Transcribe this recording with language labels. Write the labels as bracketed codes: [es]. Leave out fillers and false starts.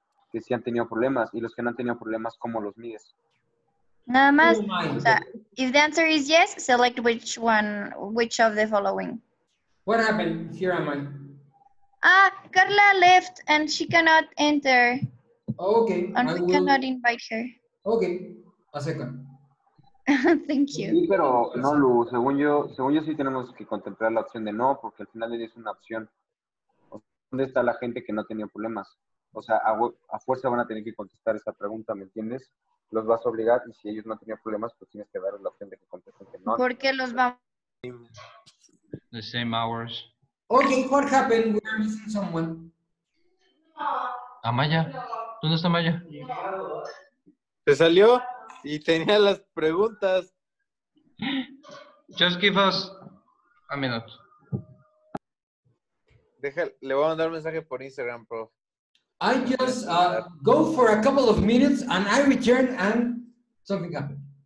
[es] Que sí han tenido problemas y los que no han tenido problemas, ¿cómo los mides? Nada más. [en] If the answer is yes, select which of the following. What happened? Here am I. Carla left and she cannot enter. Okay. And we cannot invite her. Okay. A second. Thank you. [es] Sí, pero no, Lu, según yo sí tenemos que contemplar la opción de no, porque al final es una opción. ¿Dónde está la gente que no ha tenido problemas? O sea, a fuerza van a tener que contestar esa pregunta, ¿me entiendes? Los vas a obligar y si ellos no tenían problemas, pues tienes que dar la opción de que contesten que no. ¿Por qué los vamos? [en] The same hours. Okay, what happened? We're missing someone. [es] Amaya. ¿Dónde está Amaya? Se salió y tenía las preguntas. [en] Just give us a minute. [es] Le voy a mandar un mensaje por Instagram, prof. [en] I just go for a couple of minutes and I return and something happened.